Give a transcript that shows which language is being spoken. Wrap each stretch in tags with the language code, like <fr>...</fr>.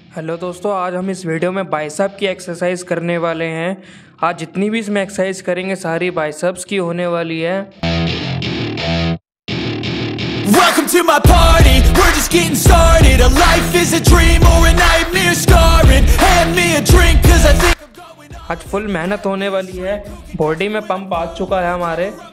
<hi>Hello दोस्तों, आज हम इस वीडियो में बाइसेप की एक्सरसाइज करने वाले हैं। आज जितनी भी इसमें एक्सरसाइज करेंगे सारी बाइसेप्स की होने वाली है।</hi> <en>Welcome to my party. We're just getting started. A life is a dream or a nightmare scarring. Hand me a drink cause I think I'm going.</en> <hi>आज फुल मेहनत होने वाली है। बॉडी में पंप आ चुका है हमारे।</hi>